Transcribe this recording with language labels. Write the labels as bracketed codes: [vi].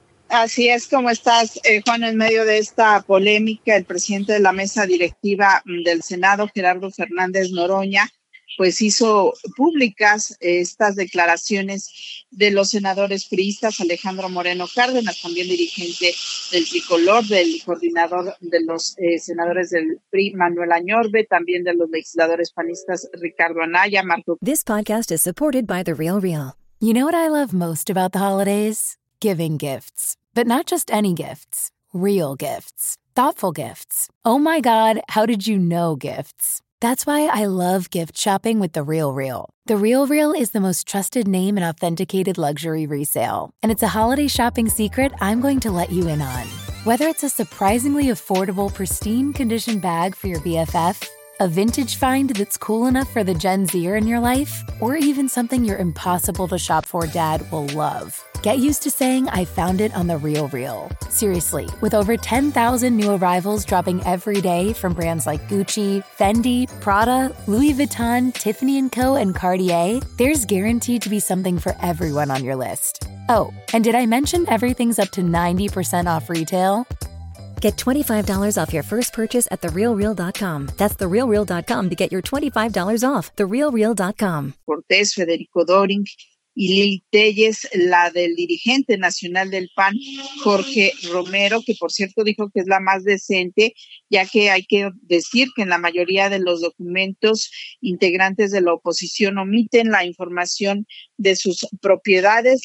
[es] Así es, como estás, Juan, en medio de esta polémica, el presidente de la mesa directiva del Senado, Gerardo Fernández Noroña, pues hizo públicas estas declaraciones de los senadores priistas Alejandro Moreno Cárdenas, también dirigente del Tricolor, del coordinador de los senadores del PRI Manuel Añorbe, también de los legisladores panistas Ricardo Anaya, Marco. [en] This podcast is supported by The Real Real. You know what I love most about the holidays? Giving gifts. But not just any gifts. Real gifts. Thoughtful gifts. Oh my God, how did you know gifts? That's why I love gift shopping with The Real Real. The Real Real is the most trusted name in authenticated luxury resale. And it's a holiday shopping secret I'm going to let you in on. Whether it's a surprisingly affordable, pristine condition bag for your BFF, a vintage find that's cool enough for the Gen Zer in your life, or even something your impossible to shop for dad will love. Get used to saying, I found it on The Real Real. Seriously, with over 10,000 new arrivals dropping every day from brands like Gucci, Fendi, Prada, Louis Vuitton, Tiffany & Co., and Cartier, there's guaranteed to be something for everyone on your list. Oh, and did I mention everything's up to 90% off retail? Get $25 off your first purchase at TheRealReal.com. That's TheRealReal.com to get your $25 off. TheRealReal.com. [es] Cortés, Federico Doring y Lili Téllez, la del dirigente nacional del PAN, Jorge Romero, que por cierto dijo que es la más decente, ya que hay que decir que en la mayoría de los documentos integrantes de la oposición omiten la información de sus propiedades.